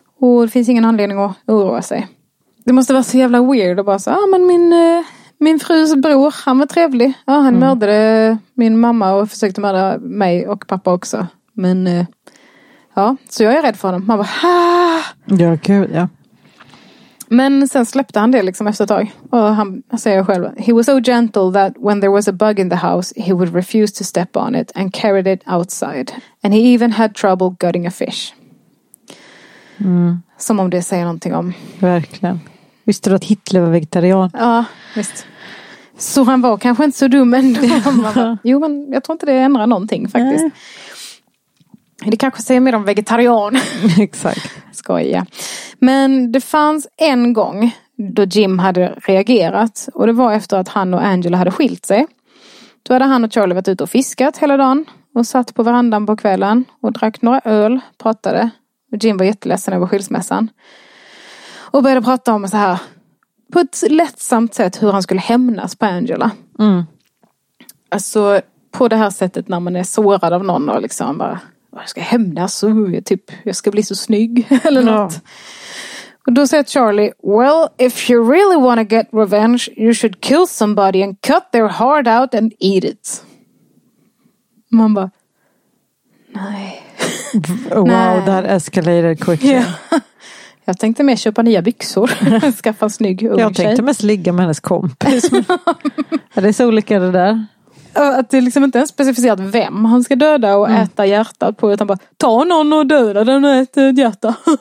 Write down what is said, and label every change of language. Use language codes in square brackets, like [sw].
[sv] Och det finns ingen anledning att oroa sig. Det måste vara så jävla weird att bara säga ja, men min frus bror, han var trevlig. Ja, han mördade min mamma och försökte mörda mig och pappa också. Men ja, så jag är rädd för honom. Man bara, ha! Ja, kul, ja. Men sen släppte han det liksom efter ett tag. Och han säger själv, [en] he was so gentle that when there was a bug in the house, he would refuse to step on it and carried it outside. And he even had trouble gutting a fish. Mm. [sv] Som om det säger någonting om. Verkligen. Visste du att Hitler var vegetarian? Ja, visst. Så han var kanske inte så dum ändå. Jo, men jag tror inte det ändrar någonting faktiskt. Nej. Det kanske säger mer om vegetarian. Exakt. Skoja. Men det fanns en gång då Jim hade reagerat. Och det var efter att han och Angela hade skilt sig. Då hade han och Charlie varit ute och fiskat hela dagen. Och satt på verandan på kvällen. Och drack några öl. Pratade. Och Jim var jätteledsen över skilsmässan. Och började prata om så här. På ett lättsamt sätt hur han skulle hämnas på Angela. Mm. Alltså på det här sättet när man är sårad av någon. Och liksom bara... Jag ska hämnas så typ jag ska bli så snygg eller något. Och då säger Charlie, [en] well, if you really want to get revenge, you should kill somebody and cut their heart out and eat it. [sv] Man bara, Nej. [en] Wow, that escalated quickly. Yeah. [sv] Jag tänkte mer köpa nya byxor. Skaffa en snygg ung tjej. Jag tänkte mest ligga med hennes kompis. Är det så olika det där? Att det liksom inte ens specificerat vem han ska döda och äta hjärtat på. Utan bara, ta någon och döda den och äta ett hjärta.